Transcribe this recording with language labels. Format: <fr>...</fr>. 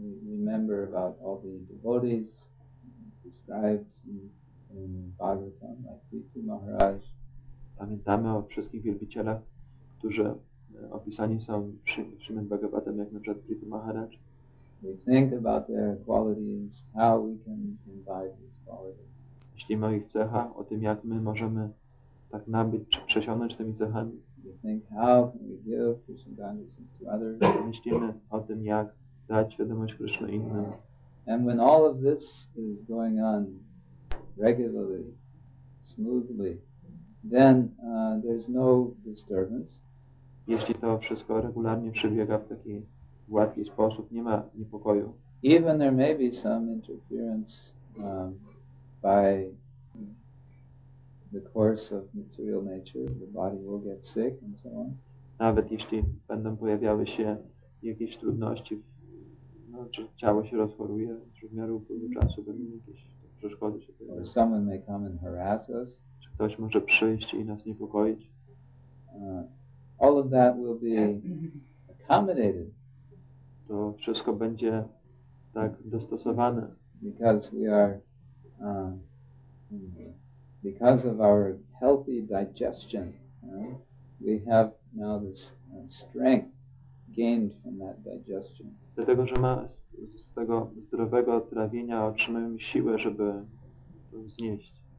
<en>Remember about all the devotees described in Bhagavatam, like Prithvi Maharaj.</en> <pl>Pamiętamy o wszystkich wielbicielach, którzy opisani są w Śrimad Bhagavatam, jak na przykład Prithvi Maharaj.</pl> <en>We think about their qualities, how we can imbibe these qualities.</en> <pl>Myślimy o ich cechach, o tym, jak my możemy tak nabyć, przesiąść tymi cechami.</pl> <en>We think how can we give Krishna consciousness to others.</en> <pl>Myślimy o tym, jak dać świadomość Krishna innym.</pl> <en>And when all of this is going on regularly, smoothly, then there's no disturbance.</en> <pl>Jeśli to wszystko regularnie przebiega w taki gładki sposób, nie ma niepokoju.</pl> <en>Even there may be some interference by the course of material nature, the body will get sick and so on.</en> <pl>Nawet jeśli będą pojawiały się jakieś trudności, no, czy ciało się rozchoruje, czy w miarę upływu czasu będą jakieś przeszkody się pojawiały.</pl> <en>Or someone may come and harass us.</en> <pl>Czy ktoś może przyjść i nas niepokoić?</pl> <en>All of that will be accommodated.</en> <pl>To wszystko będzie tak dostosowane.</pl> <en>Because we are, because of our healthy digestion, we have now this strength gained from that digestion.</en> <pl>Dlatego, że ma z tego zdrowego trawienia otrzymujemy siłę, żeby to znieść.</pl>